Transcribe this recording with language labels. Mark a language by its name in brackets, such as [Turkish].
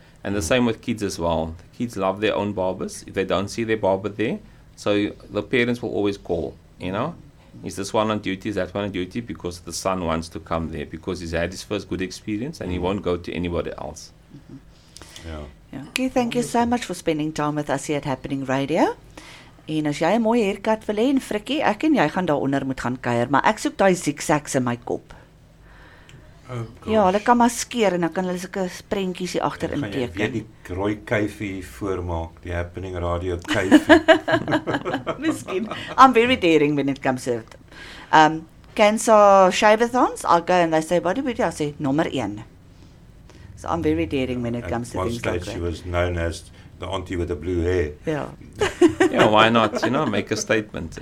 [English] And the same with kids as well. The kids love their own barbers. If they don't see their barber there, so the parents will always call, you know. Is this one on duty? Is that one on duty? Because the son wants to come there, because he's had his first good experience and he won't go to anybody else. Okay, thank you so much for spending time with us here at Happening Radio. [Afrikaans] En as jy 'n mooi haircut wil hê, Frikkie, ek en jy gaan daaronder moet gaan kuier, maar ek soek daai zigzags in my kop. Oh, ja, hulle kan maskeer en dan kan hulle sulke prentjies hier agter in teken. Jy die rooi kuifie voormaak, die Happening Radio kuifie. Miskien. [English] I'm very daring when it comes to it. Cancer shave-a-thons, I'll go and they say, what do we do? I'll say, number 1. So I'm very daring when it comes to things like that. At one stage she was known as the auntie with the blue hair. Yeah. Yeah, why not? You know, make a statement.